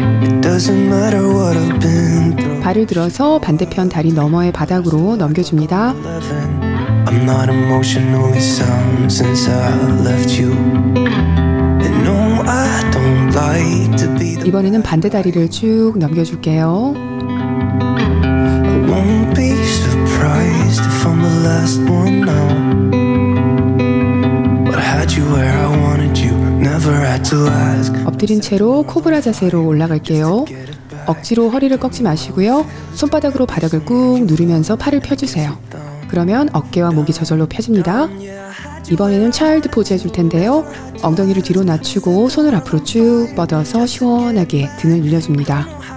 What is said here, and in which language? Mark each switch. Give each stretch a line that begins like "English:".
English: It doesn't matter what I've been through.
Korean: 발을 들어서 반대편 다리 너머의 바닥으로 넘겨 줍니다.
English: I'm not emotionally sound since I left you. And no, I don't like to be the
Korean: 이번에는 반대 다리를 쭉 넘겨 줄게요.
English: I won't be surprised if I'm the last one now. But I had you where I wanted you. Never had to ask.
Korean: 엎드린 채로 코브라 자세로 올라갈게요. 억지로 허리를 꺾지 마시고요. 손바닥으로 바닥을 꾹 누르면서 팔을 펴주세요. 그러면 어깨와 목이 저절로 펴집니다. 이번에는 차일드 포즈 해줄 텐데요. 엉덩이를 뒤로 낮추고 손을 앞으로 쭉 뻗어서 시원하게 등을 늘려줍니다.